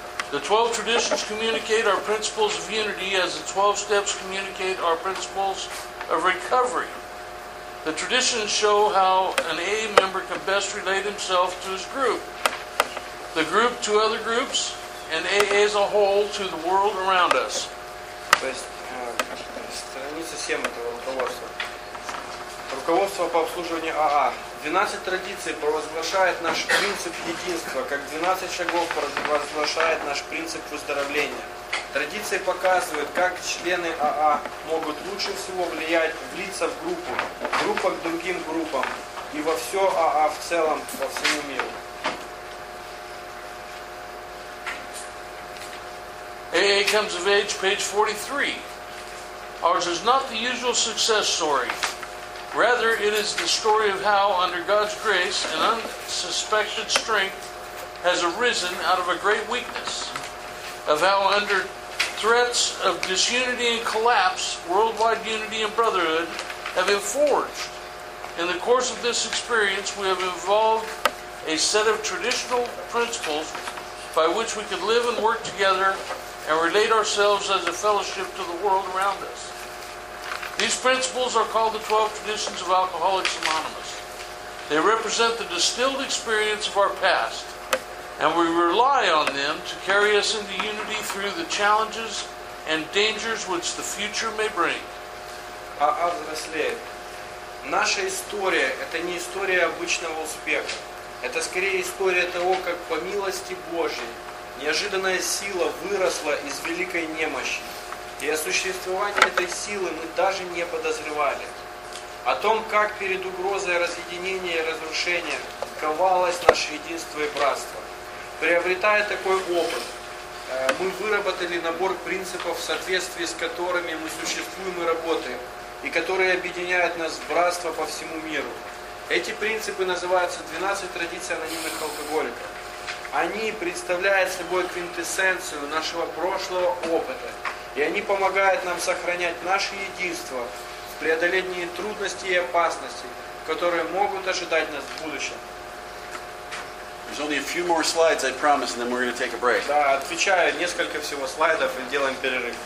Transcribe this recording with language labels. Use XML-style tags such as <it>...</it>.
<en>The 12 traditions communicate our principles of unity as the 12 steps communicate our principles of recovery. The traditions show how an AA member can best relate himself to his group, the group to other groups, and AA as a whole to the world around us.</en> <ru>То есть, страница 7 этого руководства. Руководство по обслуживанию АА. 12 традиций провозглашает наш принцип единства, как 12 шагов провозглашает наш принцип выздоровления. Традиции показывают, как члены АА могут лучше всего влиять, влиться в группу, группа к другим группам и во все АА в целом, по всему миру.</ru> <en>AA comes of age, page 43. Ours is not the usual success story. Rather, it is the story of how, under God's grace, an unsuspected strength has arisen out of a great weakness, of how under threats of disunity and collapse, worldwide unity and brotherhood have been forged. In the course of this experience, we have evolved a set of traditional principles by which we can live and work together and relate ourselves as a fellowship to the world around us. These principles are called the 12 traditions of Alcoholics Anonymous. They represent the distilled experience of our past, and we rely on them to carry us into unity through the challenges and dangers which the future may bring.</en> <ru>АА взрослеет. Наша история – это не история обычного успеха. Это скорее история того, как по милости Божьей неожиданная сила выросла из великой немощи. И о существовании этой силы мы даже не подозревали. О том, как перед угрозой разъединения и разрушения ковалось наше единство и братство. Приобретая такой опыт, мы выработали набор принципов, в соответствии с которыми мы существуем и работаем, и которые объединяют нас в братство по всему миру. Эти принципы называются 12 традиций анонимных алкоголиков. Они представляют собой квинтэссенцию нашего прошлого опыта, и они помогают нам сохранять наше единство в преодолении трудностей и опасностей, которые могут ожидать нас в будущем.</ru> <en>There's only a few more slides, I promise, and then we're going to take a break.</en> <ru>Да, отвечаю, несколько всего слайдов и делаем перерыв.</ru>